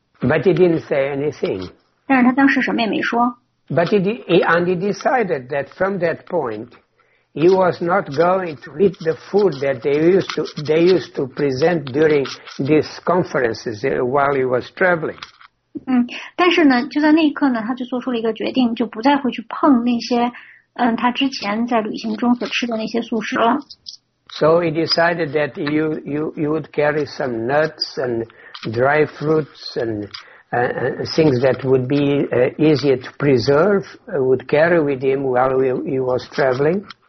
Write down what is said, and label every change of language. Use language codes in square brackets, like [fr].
[en] But he didn't say anything. [zh] 但是他当时什么也没说。 [en] But he decided that from that point, he was not going to eat the food that they used to present during these conferences while he was traveling. [zh] 但是呢，就在那一刻呢，他就做出了一个决定，就不再会去碰那些，他之前在旅行中所吃的那些素食了。 [en] So he decided that you would carry some nuts and dry fruits and. Things that would be easier to preserve would carry with him while he was traveling.